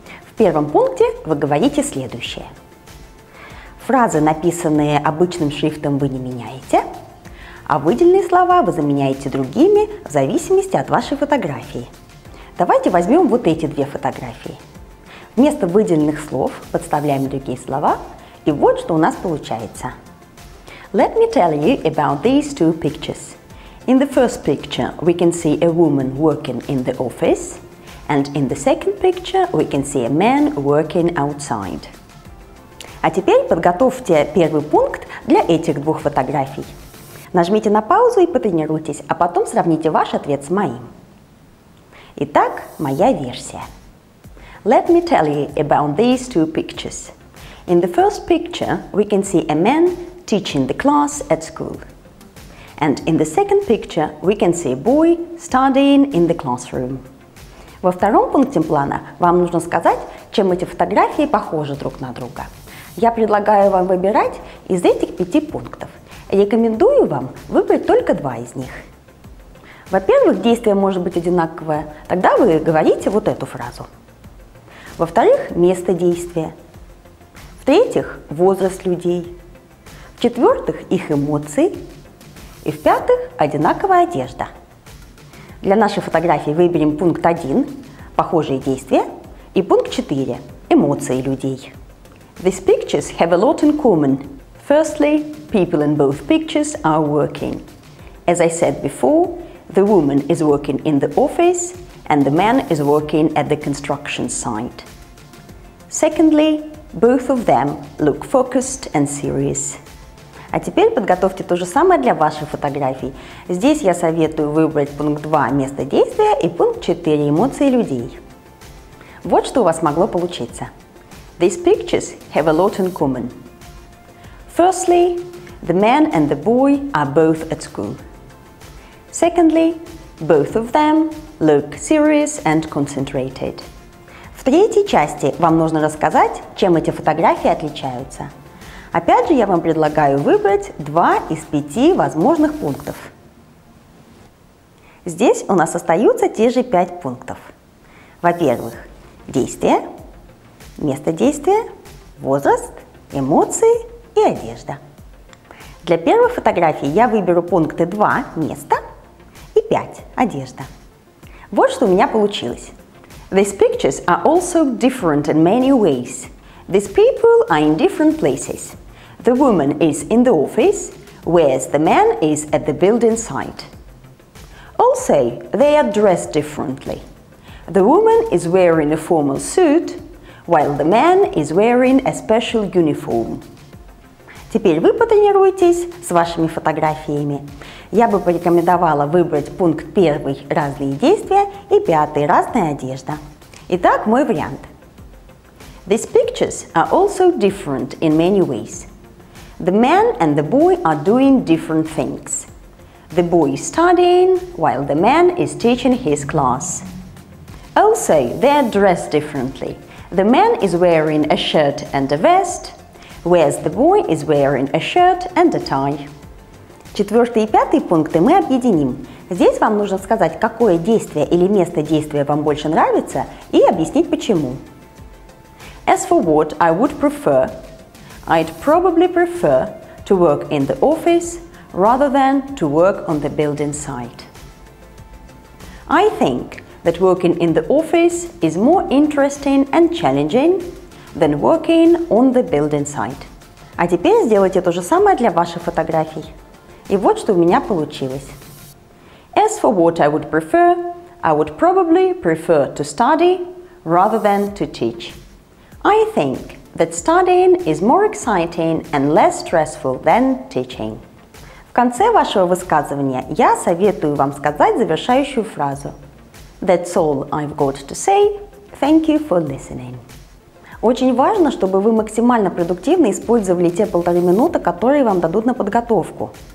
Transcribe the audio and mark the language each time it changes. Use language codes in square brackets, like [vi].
[ru] В первом пункте вы говорите следующее. Фразы, написанные обычным шрифтом, вы не меняете, а выделенные слова вы заменяете другими в зависимости от вашей фотографии. Давайте возьмем вот эти две фотографии. Вместо выделенных слов подставляем другие слова, и вот что у нас получается. [en] Let me tell you about these two pictures. In the first picture, we can see a woman working in the office, and in the second picture, we can see a man working outside. [ru] А теперь подготовьте первый пункт для этих двух фотографий. Нажмите на паузу и потренируйтесь, а потом сравните ваш ответ с моим. Итак, моя версия. [en] Let me tell you about these two pictures. In the first picture, we can see a man teaching the class at school. And in the second picture, we can see a boy studying in the classroom. [ru] Во втором пункте плана вам нужно сказать, чем эти фотографии похожи друг на друга. Я предлагаю вам выбирать из этих 5 пунктов. Рекомендую вам выбрать только 2 из них. Во-первых, действие может быть одинаковое, тогда вы говорите вот эту фразу. Во-вторых, место действия. В-третьих, возраст людей. В-четвертых, их эмоции. И в-пятых, одинаковая одежда. Для нашей фотографии выберем пункт 1, похожие действия, и пункт 4, эмоции людей. [en] These pictures have a lot in common. Firstly, people in both pictures are working. As I said before, the woman is working in the office, and the man is working at the construction site. Secondly, both of them look focused and serious. [ru] А теперь подготовьте то же самое для ваших фотографий. Здесь я советую выбрать пункт 2 – место действия и пункт 4 – эмоции людей. Вот что у вас могло получиться. [en] These pictures have a lot in common. Firstly, the man and the boy are both at school. Secondly, both of them look serious and concentrated. [ru] В третьей части вам нужно рассказать, чем эти фотографии отличаются. Опять же, я вам предлагаю выбрать 2 из 5 возможных пунктов. Здесь у нас остаются те же 5 пунктов. Во-первых, действие, место действия, возраст, эмоции и одежда. Для первой фотографии я выберу пункты 2, место, и 5, одежда. Вот что у меня получилось. [en] These pictures are also different in many ways. These people are in different places. The woman is in the office, whereas the man is at the building site. Also, they are dressed differently. The woman is wearing a formal suit, while the man is wearing a special uniform. [ru] Теперь вы потренируйтесь с вашими фотографиями. Я бы порекомендовала выбрать пункт 1 – разные действия и 5 – разная одежда. Итак, мой вариант. [en] These pictures are also different in many ways. The man and the boy are doing different things. The boy is studying, while the man is teaching his class. Also, they are dressed differently. The man is wearing a shirt and a vest, whereas the boy is wearing a shirt and a tie. [ru] Четвертый и пятый пункты мы объединим. Здесь вам нужно сказать, какое действие или место действия вам больше нравится, и объяснить почему. [en] As for what I would prefer, I'd probably prefer to work in the office rather than to work on the building site. I think that working in the office is more interesting and challenging, than working on the building site. [ru] А теперь сделайте то же самое для ваших фотографий. И вот что у меня получилось. [en] As for what I would probably prefer to study rather than to teach. I think that studying is more exciting and less stressful than teaching. [ru] В конце вашего высказывания я советую вам сказать завершающую фразу. [en] That's all I've got to say. Thank you for listening. [ru] Очень важно, чтобы вы максимально продуктивно использовали те полторы минуты, которые вам дадут на подготовку.